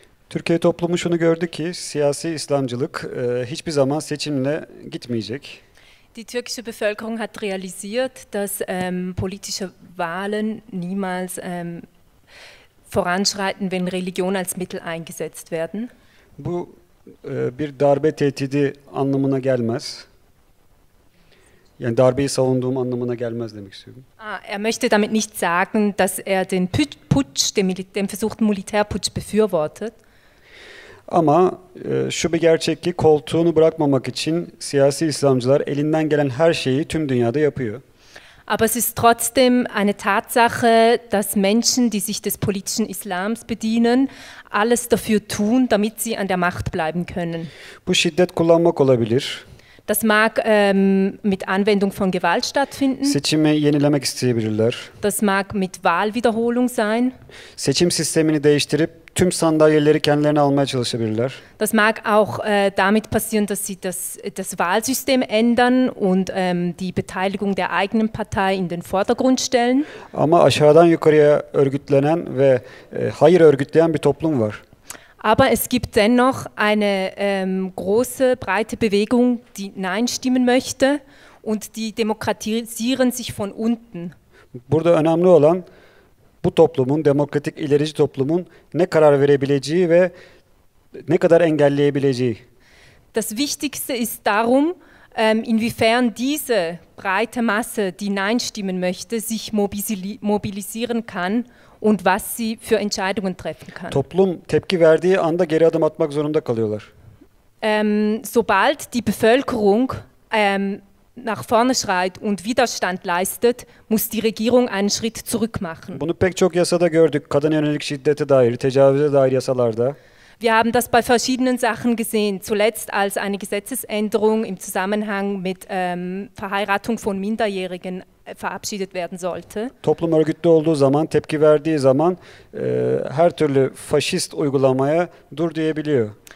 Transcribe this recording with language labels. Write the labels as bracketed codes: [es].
[tr] Türkiye toplumu şunu gördü ki, siyasi İslamcılık hiçbir zaman seçimle gitmeyecek. [de] Die türkische Bevölkerung hat realisiert, dass politische Wahlen niemals voranschreiten, wenn Religion als Mittel eingesetzt werden. [tr] Bu bir darbe tehdidi anlamına gelmez. Yani darbeyi savunduğum anlamına gelmez demek istiyorum. [de] Er möchte damit nicht sagen, dass er den Putsch, den versuchten Militärputsch befürwortet. [tr] Ama şu bir gerçek ki koltuğunu bırakmamak için siyasi İslamcılar elinden gelen her şeyi tüm dünyada yapıyor. [de] Aber es ist trotzdem eine Tatsache, dass Menschen, die sich des politischen Islams bedienen, alles dafür tun, damit sie an der Macht bleiben können. [tr] Bu şiddet kullanmak olabilir. [de] Das mag mit Anwendung von Gewalt stattfinden. [tr] Seçimi yenilemek isteyebilirler. [de] Das mag mit Wahlwiederholung sein. [tr] Seçim sistemini değiştirip tüm sandalyeleri kendilerine almaya çalışabilirler. [de] Das mag auch damit passieren, dass sie das Wahlsystem ändern und die Beteiligung der eigenen Partei in den Vordergrund stellen. [tr] Ama aşağıdan yukarıya örgütlenen ve hayır örgütleyen bir toplum var. [de] Aber es gibt dennoch eine große, breite Bewegung, die Nein stimmen möchte und die demokratisieren sich von unten. [tr] Burada önemli olan bu toplumun, demokratik ilerici toplumun ne karar verebileceği ve ne kadar engelleyebileceği. [de] Das Wichtigste ist darum, inwiefern diese breite Masse, die Nein stimmen möchte, sich mobilisieren kann und was sie für Entscheidungen treffen kann. [tr] Toplum tepki verdiği anda geri adım atmak zorunda kalıyorlar. [de] Sobald die Bevölkerung nach vorne schreit und Widerstand leistet, muss die Regierung einen Schritt zurück machen. [tr] Bunu pek çok yasada gördük, kadın yönelik şiddete dair, tecavüze dair yasalarda. [de] Wir haben das bei verschiedenen Sachen gesehen, zuletzt als eine Gesetzesänderung im Zusammenhang mit Verheiratung von Minderjährigen verabschiedet werden sollte. [tr] Toplum örgütlü olduğu zaman, tepki verdiği zaman her türlü faşist uygulamaya dur diyebiliyor.